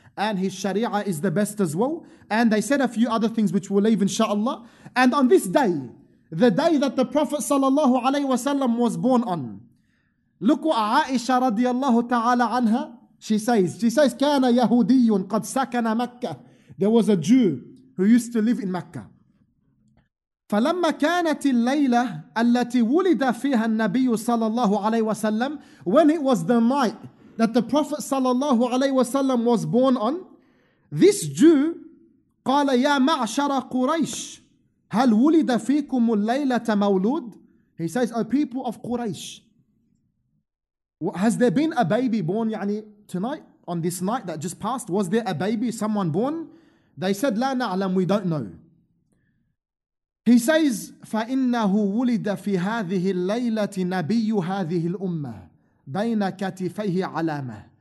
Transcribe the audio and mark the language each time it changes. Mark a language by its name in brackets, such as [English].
[English] And his sharia is the best as well. And they said a few other things which we'll leave inshaAllah. And on this day, the day that the Prophet sallallahu alayhi wa sallam was born on. Look what Aisha radiallahu ta'ala anha, she says, [Arabic] كَانَ يَهُودِيٌّ قَدْ سَكَنَ مَكَّةٌ. [English] There was a Jew who used to live in Mecca. [Arabic] فلما كانت الليلة التي ولد فيها النبي صلى الله عليه وسلم, [English] when it was the night that the Prophet [Arabic] صلى الله عليه وسلم [English] was born on, this Jew [Arabic] قال يا معشر قريش هل ولد فيكم الليلة مولود. [English] He says, O people of Quraysh, has there been a baby born tonight, on this night that just passed? Was there a baby, someone born? They said, [Arabic] لا نعلم, [English] we don't know. [Arabic] He says, فَإِنَّهُ وُلِدَ فِي هَذِهِ اللَّيْلَةِ نَبِيُّ هَذِهِ الْأُمَّةِ بَيْنَ كَتِفَيْهِ عَلَامَةِ.